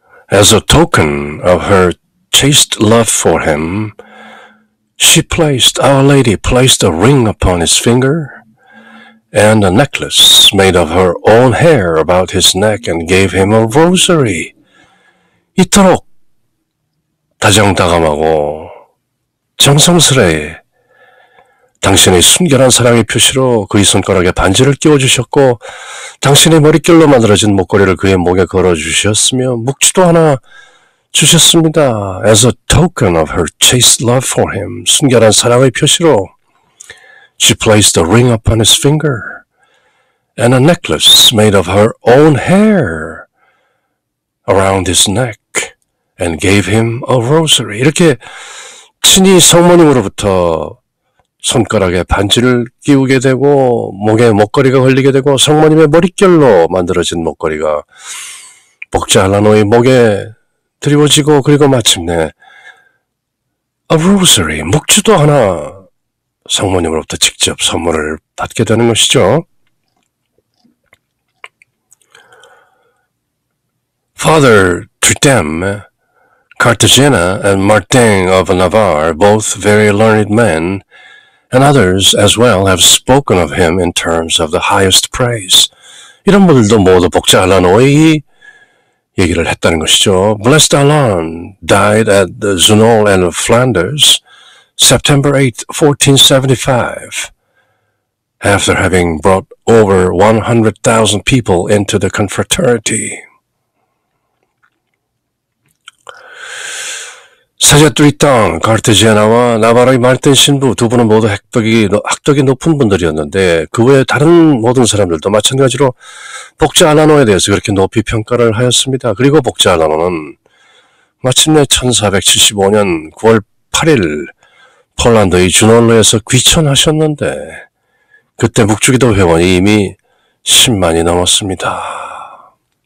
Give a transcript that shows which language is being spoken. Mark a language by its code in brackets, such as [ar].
[en] As a token of her chaste love for him, she placed, Our Lady placed a ring upon his finger and a necklace made of her own hair about his neck and gave him a rosary. [ko] 이토록 다정다감하고 정성스레 당신의 순결한 사랑의 표시로 그의 손가락에 반지를 끼워주셨고 당신의 머릿결로 만들어진 목걸이를 그의 목에 걸어주셨으며 묵주도 하나 주셨습니다. [en] As a token of her chaste love for him, [ko] 순결한 사랑의 표시로 [en] She placed a ring upon his finger and a necklace made of her own hair around his neck and gave him a rosary. [ko] 이렇게 친히 성모님으로부터 손가락에 반지를 끼우게 되고 목에 목걸이가 걸리게 되고 성모님의 머릿결로 만들어진 목걸이가 복제 알라노의 목에 드리워지고 그리고 마침내 a rosary, 묵주도 하나 성모님으로부터 직접 선물을 받게 되는 것이죠. [en] Father Trudem, Cartagena and Martin of Navarre, both very learned men, and others as well have spoken of him in terms of the highest praise. [ko] 이런 분들도 모두 복제 알라노의 얘기를 했다는 것이죠. [en] Blessed Alain died at the Zunol and Flanders, September 8, 1475, after having brought over 100,000 people into the confraternity. [ko] 사제뚜리 땅, 카르테지아나와 나바라의 말뜬 신부 두 분은 모두 학덕이 높은 분들이었는데 그 외에 다른 모든 사람들도 마찬가지로 복제 알라노에 대해서 그렇게 높이 평가를 하였습니다. 그리고 복제 알라노는 마침내 1475년 9월 8일 폴란드의 주놀로에서 귀천하셨는데 그때 묵주기도 회원이 이미 10만이 넘었습니다.